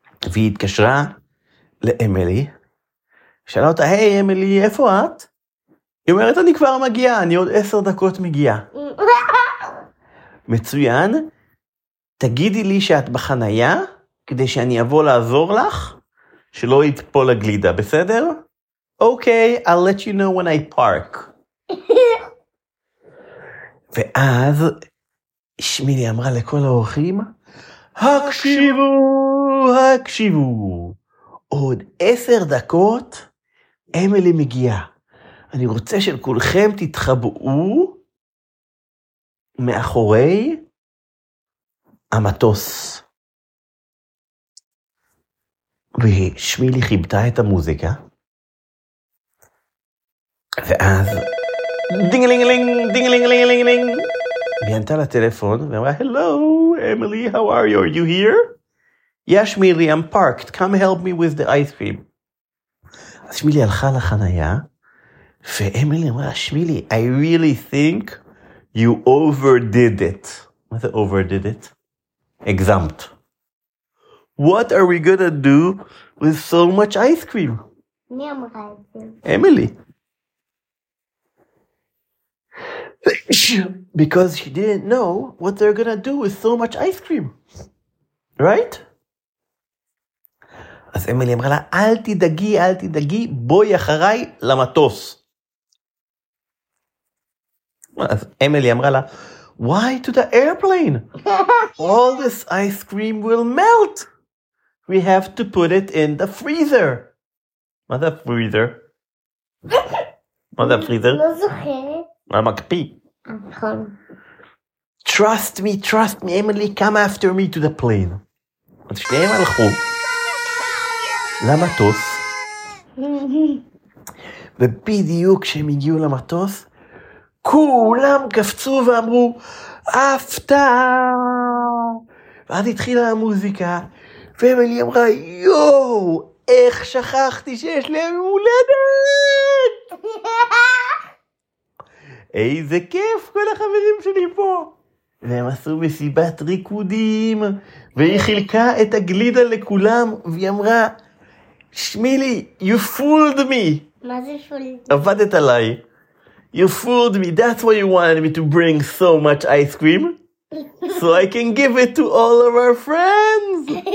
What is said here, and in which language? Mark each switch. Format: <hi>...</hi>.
<he>והיא התקשרה לאמילי. שאלה אותה, היי אמילי, איפה את? היא אומרת, אני כבר מגיעה, אני עוד 10 דקות מגיעה. מצוין. תגידי לי שאת בחנייה, כדי שאני אבוא לעזור לך, שלא יתפול הגלידה, בסדר?</he> <en>אוקיי, I'll let you know when I park.</en> <he>ואז שמילי אמרה לכל האורחים, הקשיבו, הקשיבו. עוד 10 דקות, אמילי מגיעה. אני רוצה שכולכם תתחבאו מאחורי המטוס. ושמילי חיבתה את המוזיקה. ואז דינגלינגלינג, דינגלינגלינגלינג, היא ענתה לטלפון ואמרה,</he> <en>Hello, Emily, how are you? Are you here? Yeah, Shmili, I'm parked. Come help me with the ice cream.</en> <he>אז שמילי הלכה לחנייה, ואמילי אמרה, שמילי,</he> <en>I really think you overdid it.</en> <he>מה זה</he> <en>overdid it?</en> <he>הגזמת.</he> <en>What are we gonna do with so much ice cream?</en> <he>מי אמרה את זה? אמילי.</he> <en>Because she didn't know what they're gonna do with so much ice cream. Right?</en> <he>אז אמילי אמרה לה, אל תדאגי, אל תדאגי, בואי אחריי למטוס. אז אמילי אמרה לה,</he> <en>why to the airplane? All this ice cream will melt. We have to put it in the freezer.</en> <he>מה זה פריזר? מה זה פריזר? לא זוכר. המקפיא.</he> <en>Trust me, trust me, Emily, come after me to the plane.</en> <he>אז שניהם הלכו למטוס. ובדיוק כשהם הגיעו למטוס, כולם קפצו ואמרו, הפתעה! ואז התחילה המוזיקה, ואמילי אמרה, יואו, איך שכחתי שיש לי יום הולדת? איזה כיף, כל החברים שלי פה. והם עשו מסיבת ריקודים, והיא חילקה את הגלידה לכולם, והיא אמרה, שמילי,</he> <en>you fooled me.</en> <he>מה זה</he> <en>fooled?</en> <he>עבדת עליי.</he> <en>You fooled me, that's why you wanted me to bring so much ice cream. So I can give it to all of our friends.</en>